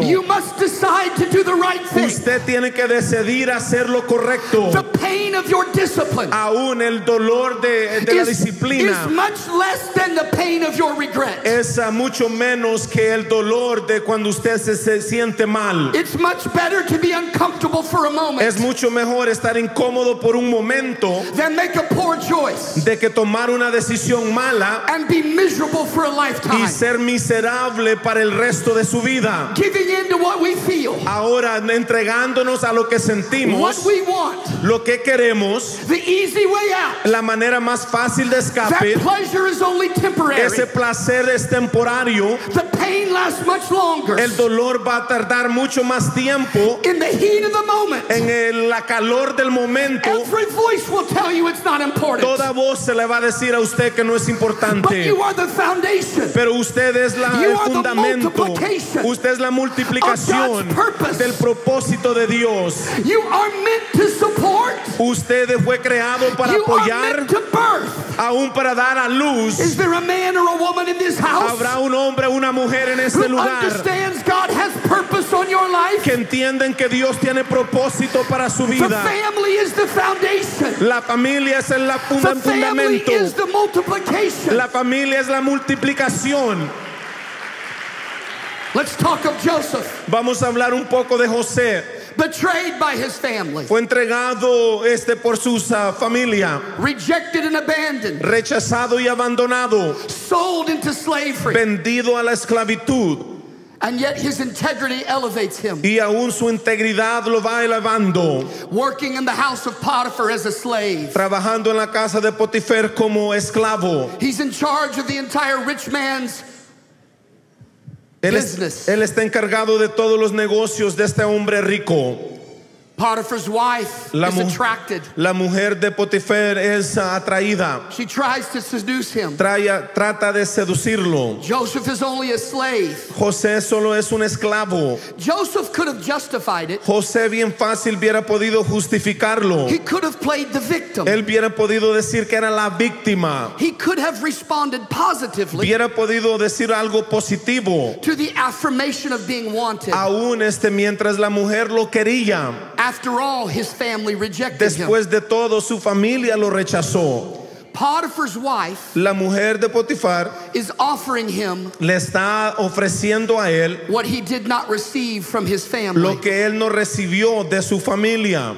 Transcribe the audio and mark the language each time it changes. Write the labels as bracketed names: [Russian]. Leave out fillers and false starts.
[English] You must decide to do the right thing. [Spanish] Usted tiene que decidir hacer lo correcto. [English] The pain of your discipline, [Spanish] aún el dolor de la disciplina, [English] is much less than the pain of your regret. [Spanish] Es mucho menos que el dolor de cuando usted se siente mal. [English] It's much better to be uncomfortable for a moment. [Spanish] Es mucho mejor estar incómodo por un momento [English] than make a poor choice. [Spanish] De que tomar una decisión mala [English] and be miserable for a lifetime. [Spanish] Y ser miserable para el resto de su vida. [English] Giving in to what we feel. [Spanish] Ahora entregándonos a lo que sentimos. [English] What we want. [Spanish] Lo que queremos, [English] the easy way out, [Spanish] la manera más fácil de escape, [English] that pleasure is only temporary, [Spanish] ese placer es temporario, [English] the pain lasts much longer, [Spanish] el dolor va a tardar mucho más tiempo, [English] in the heat of the moment, [Spanish] en la calor del momento, [English] every voice will tell you it's not important, [Spanish] toda voz se le va a decir a usted que no es importante, [English] but you are the foundation, [Spanish] pero usted es la, [English] you [Spanish] el fundamento, [English] are the multiplication, [Spanish] usted es la multiplicación del propósito de Dios, [English] you are meant to support. [Spanish] Usted fue creado para apoyar, aún para dar a luz. [English] Is there a man or a woman in this house? [Spanish] ¿Habrá un hombre o una mujer en este lugar? [English] Who understands God has purpose on your life? [Spanish] Que entienden que Dios tiene propósito para su vida. [English] The family is the foundation. [Spanish] La familia es el fundamento. [English] The family is the multiplication. [Spanish] La familia es la multiplicación. [English] Let's talk of Joseph. [Spanish] Vamos a hablar un poco de José. [English] Betrayed by his family. [Spanish] Fue entregado por su familia. [English] Rejected and abandoned. [Spanish] Rechazado y abandonado. [English] Sold into slavery. [Spanish] Vendido a la esclavitud. [English] And yet his integrity elevates him. [Spanish] Y aún su integridad lo va elevando. [English] Working in the house of Potiphar as a slave. [Spanish] Trabajando en la casa de Potifar como esclavo. [English] He's in charge of the entire rich man's business. [Spanish] Él está encargado de todos los negocios de este hombre rico. [English] Potiphar's wife is attracted. [Spanish] La mujer de Potifar es atraída. [English] She tries to seduce him. [Spanish] Trata de seducirlo. [English] Joseph is only a slave. [Spanish] José solo es un esclavo. [English] Joseph could have justified it. [Spanish] José bien fácil hubiera podido justificarlo. [English] He could have played the victim. [Spanish] Él hubiera podido decir que era la víctima. [English] He could have responded positively. [Spanish] Hubiera podido decir algo positivo. [English] To the affirmation of being wanted. [Spanish] Aún mientras la mujer lo quería. [English] After all, his family rejected [Spanish] him. Después de todo, su familia lo rechazó. [English] Potiphar's wife, [Spanish] la mujer de Potifar, [English] is offering him, [Spanish] le está ofreciendo a él, [English] what he did not receive from his family, [Spanish] lo que él no recibió de su familia,